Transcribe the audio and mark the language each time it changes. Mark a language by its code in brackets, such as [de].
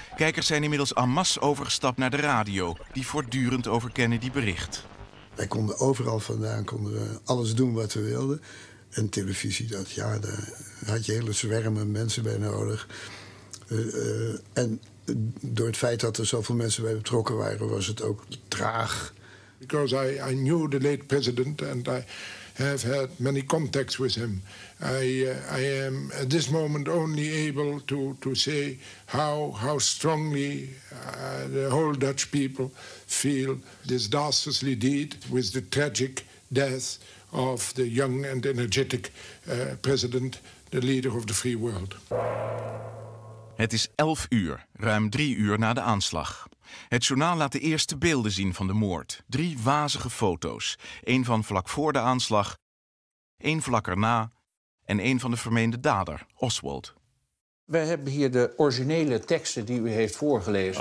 [nl] Kijkers zijn inmiddels en masse overgestapt naar de radio, die voortdurend over Kennedy bericht. Wij konden overal vandaan, konden alles doen wat we wilden. En televisie, daar had je hele zwermen mensen bij nodig. En door het feit dat er zoveel mensen bij betrokken waren, was het ook traag. [en] Because I knew the late president and I have had many contacts with him. I am at this moment only able to say how strongly the whole Dutch people feel this dastardly deed with the tragic death of the young and energetic president, the leader of the free world. [nl] Het is 11:00, ruim 3:00 na de aanslag. Het journaal laat de eerste beelden zien van de moord. 3 wazige foto's. 1 van vlak voor de aanslag, 1 vlak erna en 1 van de vermeende dader, Oswald. We hebben hier de originele teksten die u heeft voorgelezen.